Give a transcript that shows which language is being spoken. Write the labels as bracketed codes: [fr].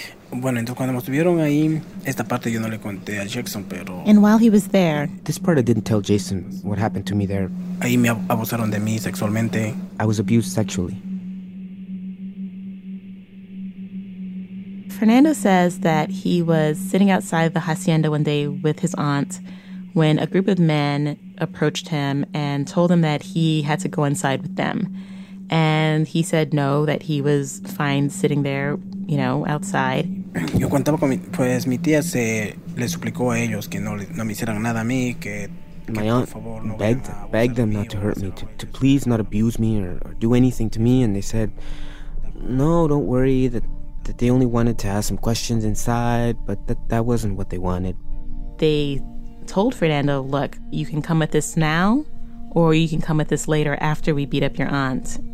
[es] Bueno, entonces cuando estuvieron ahí, esta parte yo no le conté a Jackson, pero. [en] And while he was there, this part I didn't tell Jason what happened to me there. [es] Ahí me abusaron de mí sexualmente. [en] I was abused sexually. Fernando says that he was sitting outside the hacienda one day with his aunt when a group of men approached him and told him that he had to go inside with them. And he said no, that he was fine sitting there, you know, outside. [es] Yo contaba con mi, pues mi tía se le suplicó a ellos que no me hicieran nada a mí, que... [en] My aunt begged them not to hurt me, to please not abuse me or do anything to me, and they said, no, don't worry, that they only wanted to ask some questions inside, but that wasn't what they wanted. They told Fernando, look, you can come with this now, or you can come with this later after we beat up your aunt.